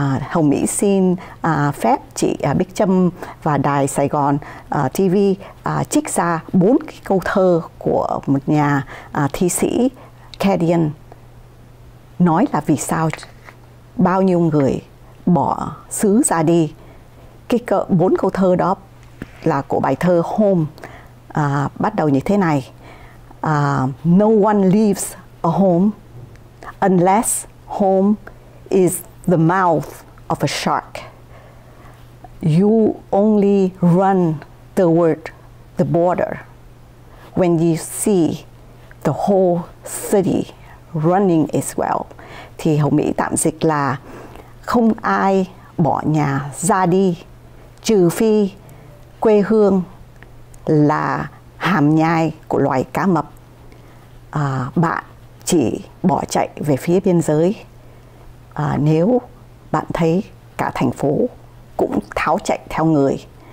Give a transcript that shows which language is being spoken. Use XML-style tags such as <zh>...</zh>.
<vi>Hồng Mỹ xin phép chị Bích Trâm và Đài Sài Gòn TV trích ra 4 cái câu thơ của một nhà thi sĩ Cadian, nói là vì sao bao nhiêu người bỏ xứ ra đi. Cái 4 câu thơ đó là của bài thơ Home, bắt đầu như thế này:</vi> <en>No one leaves a home unless home is the mouth of a shark. You only run toward the border when you see the whole city running as well.</en> <vi>Thì Hồng Mỹ tạm dịch là không ai bỏ nhà ra đi trừ phi quê hương là hàm nhai của loài cá mập. Bạn chỉ bỏ chạy về phía biên giới nếu bạn thấy cả thành phố cũng tháo chạy theo người.</vi>